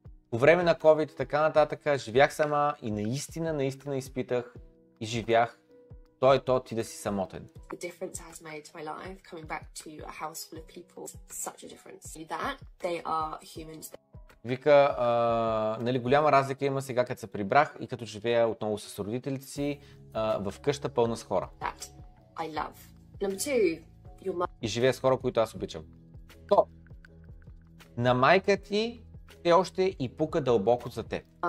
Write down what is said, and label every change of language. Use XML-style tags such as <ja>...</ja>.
<bg>По време на COVID и така нататък живях сама и наистина, наистина изпитах и живях той то ти да си самотен.</bg> <en>The difference has made to my life coming back to a house full of people such a difference. That they are humans.</en> <bg>Вика, нали голяма разлика има сега като се прибрах и като живея отново с родителите си в къща пълна с хора.</bg> <en>That I love. Number two.</en> <bg>И живея с хора, които аз обичам. То, на майка ти все още и пука дълбоко за теб.</bg>